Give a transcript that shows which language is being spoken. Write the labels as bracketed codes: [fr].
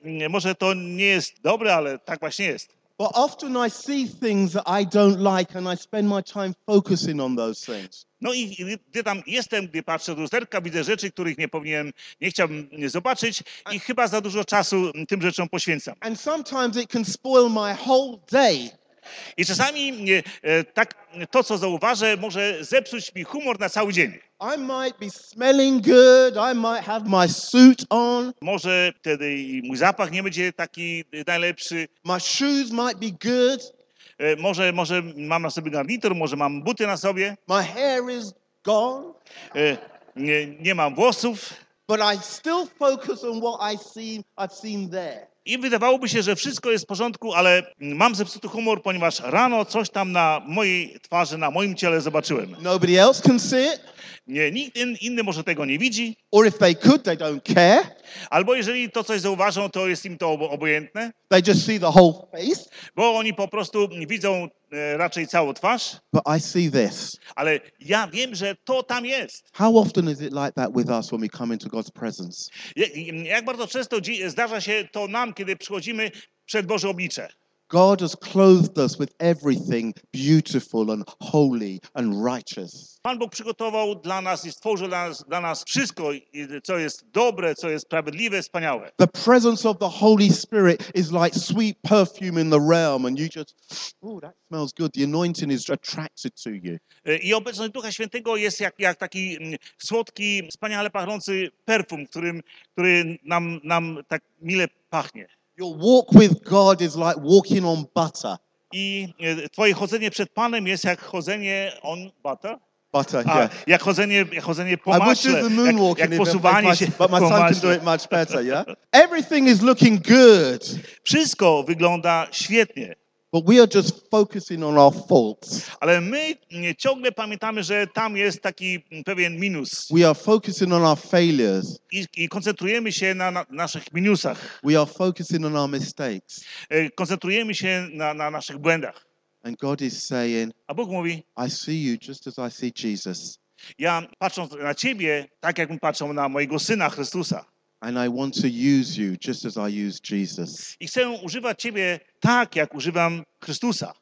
[pl] Może to nie jest dobre, ale tak właśnie jest. [en] But often I see things that I don't like and I spend my time focusing on those things. [pl] No i gdy tam jestem, gdy patrzę do lusterka, widzę rzeczy, których nie chciałbym zobaczyć i chyba za dużo czasu tym rzeczom poświęcam. [en] And sometimes it can spoil my whole day. [pl] I czasami tak to, co zauważę, może zepsuć mi humor na cały dzień. [en] I might be smelling good, I might have my suit on. [pl] Może wtedy mój zapach nie będzie taki najlepszy. [en] My shoes might be good. [pl] Może mam na sobie garnitur, może mam buty na sobie. [en] My hair is gone. [pl] Nie mam włosów. [en] But I still focus on what I've seen there. [pl] I wydawałoby się, że wszystko jest w porządku, ale mam zepsuty humor, ponieważ rano coś tam na mojej twarzy, na moim ciele zobaczyłem. [en] Nobody else can see it. [pl] Nie, nikt inny może tego nie widzi. [en] Or if they could, they don't care. [pl] Albo jeżeli to coś zauważą, to jest im to obojętne. [en] They just see the whole face. [pl] Bo oni po prostu widzą raczej całą twarz. [en] But I see this. [pl] Ale ja wiem, że to tam jest. [en] How often is it like that with us when we come into God's presence? [pl] Jak bardzo często zdarza się to nam, kiedy przychodzimy przed Boże oblicze? [en] God has clothed us with everything beautiful and holy and righteous. [pl] Pan Bóg przygotował dla nas i stworzył dla nas wszystko, co jest dobre, co jest sprawiedliwe, wspaniałe. [en] The presence of the Holy Spirit is like sweet perfume in the realm and you just, oh, that smells good. The anointing is attracted to you. [pl] I obecność Ducha Świętego jest jak taki słodki, wspaniale pachnący perfum, który nam tak mile pachnie. [en] Your walk with God is like walking on butter. [pl] I twoje chodzenie przed Panem jest jak chodzenie [en] on butter. Butter, yeah. [pl] Jak chodzenie po maśle. [en] I wish it was the moonwalking, [pl] jak posuwanie się po maśle. [en] But my son can do it much better, yeah? Everything is looking good. [pl] Wszystko wygląda świetnie. [en] But we are just focusing on our faults. [pl] Ale my ciągle pamiętamy, że tam jest taki pewien minus. [en] We are focusing on our failures. [pl] I koncentrujemy się na naszych minusach. [en] We are focusing on our mistakes. [pl] Koncentrujemy się na naszych błędach. [en] And God is saying, [pl] a Bóg mówi, [en] I see you just as I see Jesus. [pl] Ja patrząc na ciebie, tak jakbym patrzył na mojego syna Chrystusa. [en] And I want to use you just as I use Jesus. [pl] I chcę używać ciebie tak, jak używam Chrystusa.